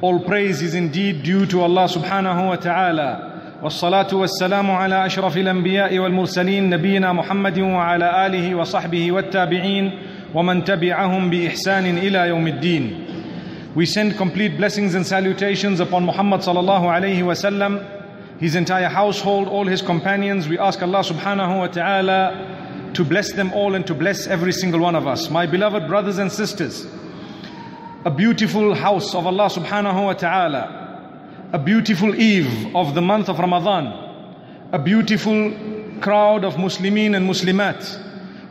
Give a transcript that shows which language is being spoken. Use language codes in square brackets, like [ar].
[en] All praise is indeed due to Allah subhanahu wa ta'ala. [ar] والصلاة والسلام على أشرف الأنبياء والمرسلين نبينا محمد وعلى آله وصحبه والتابعين ومن تبعهم بإحسان إلى يوم الدين. [en] We send complete blessings and salutations upon Muhammad sallallahu alayhi wa sallam, his entire household, all his companions. We ask Allah subhanahu wa ta'ala to bless them all and to bless every single one of us. My beloved brothers and sisters, a beautiful house of Allah subhanahu wa ta'ala, a beautiful eve of the month of Ramadan, a beautiful crowd of Muslimin and Muslimat.